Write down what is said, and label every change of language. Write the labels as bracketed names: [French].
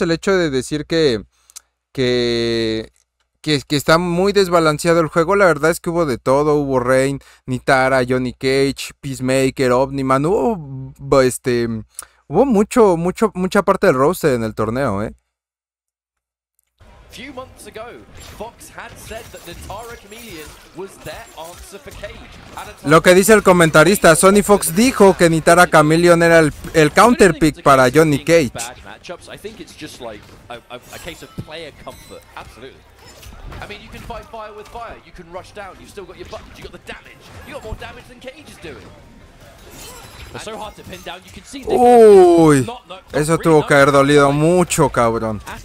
[Spanish] El hecho de decir que está muy desbalanceado el juego, la verdad es que hubo de todo, hubo Rain, Nitara, Johnny Cage, Peacemaker, Omni-Man, hubo mucha parte del roster en el torneo, ¿eh? [English] Few months ago, Fox had said that Nitara Chameleon was their answer for Cage. [Spanish] Lo que dice el comentarista, Sonny Fox dijo que Nitara Chameleon era el counter pick para Johnny Cage. [English] I think it's just like a case of player comfort. Absolutely. I mean, you can fight fire with fire, you can rush down, you've still got your buttons, you got the damage. You got more damage than Cage is doing. It's so hard to pin down, you can see the... [Spanish] Uy, eso tuvo que haber dolido mucho, cabrón.